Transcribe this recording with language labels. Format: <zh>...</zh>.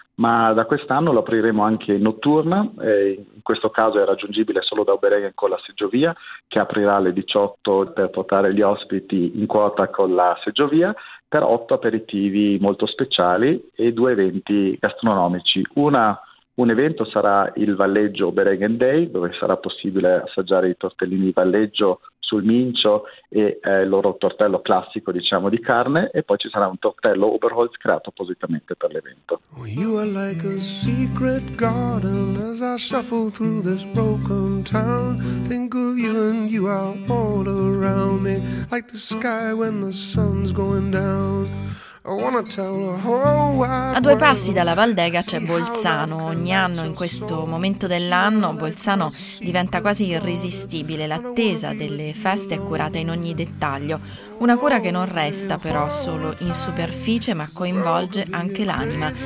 <it>ma da quest'anno lo apriremo anche in notturna, in questo caso è raggiungibile solo da Oberegen con la seggiovia, che aprirà alle 18 per portare gli ospiti in quota con la seggiovia, per 8 aperitivi molto speciali e 2 eventi gastronomici. Un evento sarà il Valleggio Oberegen Day, dove sarà possibile assaggiare i tortellini di Valleggio sul mincio e il loro tortello classico, diciamo, di carne, e poi ci sarà un tortello Oberholz creato appositamente per l'evento.</it> <en>You are like a secret garden as I shuffle through this broken town. Think of you and you are all around me, like the sky when the sun's going down.</en> <it>A due passi dalla Valdega c'è Bolzano. Ogni anno in questo momento dell'anno Bolzano diventa quasi irresistibile. L'attesa delle feste è curata in ogni dettaglio. Una cura che non resta però solo in superficie, ma coinvolge anche l'anima.</it>